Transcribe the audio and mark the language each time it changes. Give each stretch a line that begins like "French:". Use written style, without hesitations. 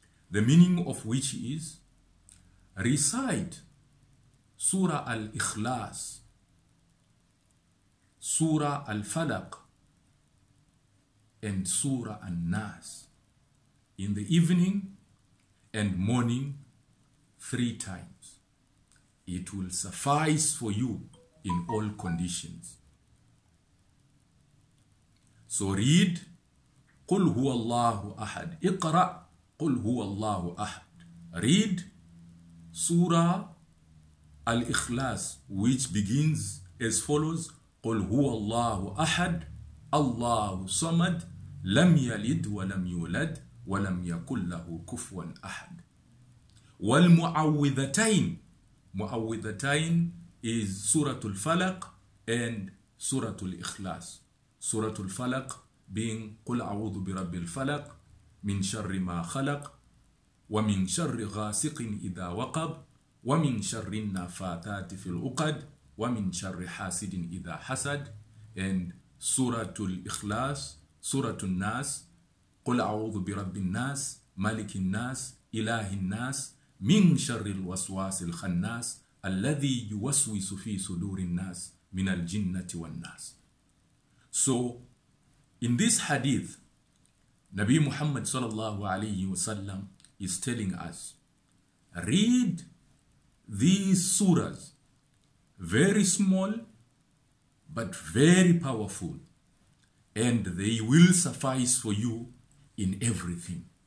English: The meaning of which is, recite Surah Al-Ikhlas, Surah Al-Falaq, and Surah An-Nas in the evening and morning three times. It will suffice for you in all conditions. So read,
Arabic: قُلْ هُوَ اللَّهُ أَحَدْ اِقْرَأْ قُلْ هُوَ اللَّهُ أَحَدْ.
English: Read Surah Al-Ikhlas, which begins as follows,
Arabic: قُلْ هُوَ اللَّهُ أَحَدْ اللَّهُ صَمَدْ لَمْ يَلِدْ وَلَمْ يُولَدْ وَلَمْ يَكُلْ لَهُ كُفْوًا أَحَدْ. وَالْمُعَوِّذَتَيْن, مُعَوِّذَتَيْن
English: is Surah Al-Falaq and Surah Al-Ikhlas. Surah Al-Falaq being
Arabic: قُلْ أَعُوذُ بِرَبِّ الْفَلَقْ مِنْ شَرِّ مَا خَلَقْ وَمِنْ شَرِّ غَاسِقٍ إِذَا وَقَبْ وَمِنْ شَرِّ النَّفَاثَاتِ فِي الْعُقَدْ وَمِنْ شَرِّ حَاسِدٍ إِذَا حَسَدْ.
English: And Surah Al-Ikhlas, Surah Al-Nas,
Arabic: قُلْ أَعُوذُ بِرَبِّ النَّاسِ مَلِكِ النَّاسِ إِلَهِ النَّاسِ مِنْ شَرِّ الْوَسْوَاسِ الْخَنَّاسِ الَّذِي يُوَسْوِسُ فِي صُدُورِ النَّاسِ مِنَ الْجِنَّةِ وَالنَّاسِ.
English: So, in this hadith, Nabi Muhammad sallallahu alayhi wa sallam is telling us, read these surahs, very small, but very powerful, and they will suffice for you in everything.